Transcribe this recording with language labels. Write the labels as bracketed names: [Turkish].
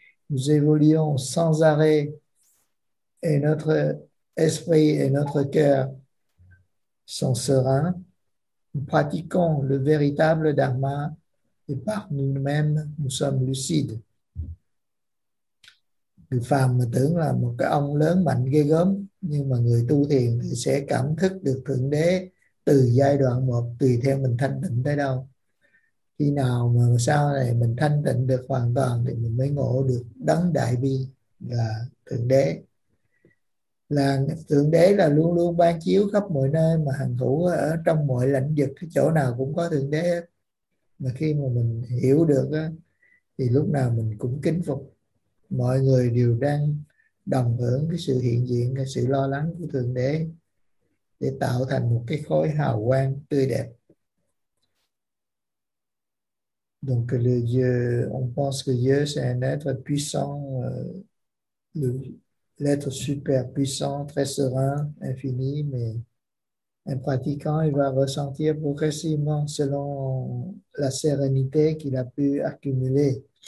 [French] Nous évoluons sans arrêt et notre esprit et notre cœur sont sereins. Nous pratiquons le véritable dharma et par nous-mêmes, nous sommes lucides. [Vietnamese] Người phàm mà tưởng là một cái ông lớn mạnh ghê gớm, nhưng mà người tu thiền thì sẽ cảm thức được Thượng Đế từ giai đoạn một, tùy theo mình thanh tịnh tới đâu. Khi nào mà sau này mình thanh tịnh được hoàn toàn thì mình mới ngộ được đấng đại bi là Thượng Đế. Là Thượng Đế là luôn luôn ban chiếu khắp mọi nơi mà hành thủ ở trong mọi lãnh vực, chỗ nào cũng có Thượng Đế. Mà khi mà mình hiểu được thì lúc nào mình cũng kính phục. Mọi người đều đang đồng hưởng cái sự hiện diện, cái sự lo lắng của Thượng Đế để tạo thành một cái khối hào quang tươi đẹp. [French] Donc le Dieu, on pense que Dieu c'est un être puissant, l'être super puissant, très serein, infini, mais un pratiquant, il va ressentir progressivement selon la sérénité qu'il a pu accumuler.